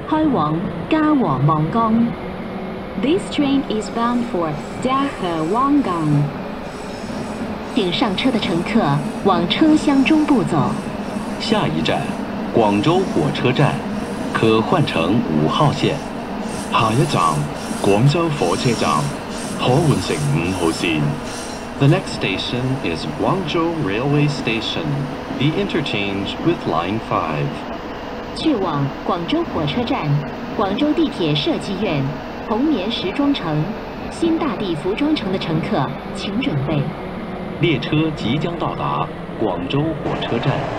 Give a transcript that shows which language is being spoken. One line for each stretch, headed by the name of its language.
English: This train is bound for Da He Wang Gang.
Chinese: 请上车的乘客往车厢中部走。下一站，广州火车站，可换乘五号线。下一站，广州火车站，可换乘五号线。
English: The next station is Guangzhou Railway Station, the interchange with Line 5.
Chinese: 去往广州火车站。广州地铁设计院、红棉时装城、新大地服装城的乘客，请准备。列车即将到达广州火车站。